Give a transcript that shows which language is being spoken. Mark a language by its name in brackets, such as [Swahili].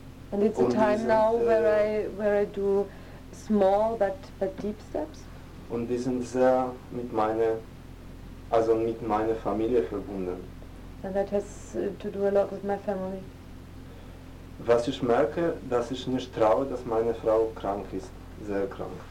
[English] And it's a time now where I do small but deep steps. [German] Und die sind sehr mit meiner Familie verbunden. [English] And that has to do a lot with my family. [German] Was ich merke, dass ich nicht traue, dass meine Frau krank ist, sehr krank.